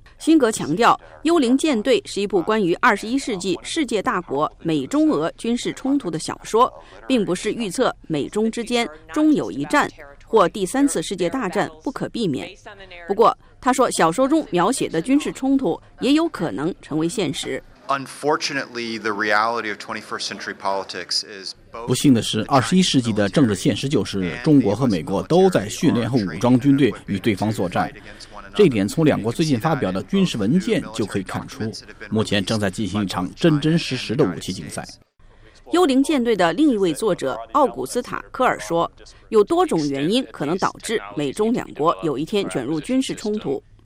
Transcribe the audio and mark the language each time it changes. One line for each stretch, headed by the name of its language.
Chinese: 辛格强调，幽灵舰队是一部关于21世纪世界大国美中俄军事冲突的小说，并不是预测美中之间终有一战，或第三次世界大战不可避免。不过，他说小说中描写的军事冲突也有可能成为现实。
English: Unfortunately, the reality of 21st century politics is both.
Chinese: 不幸的是，二十一世纪的政治现实就是中国和美国都在训练和武装军队与对方作战。这一点从两国最近发表的军事文件就可以看出，目前正在进行一场真真实实的武器竞赛。幽灵舰队的另一位作者奥古斯塔·科尔说，有多种原因可能导致美中两国有一天卷入军事冲突。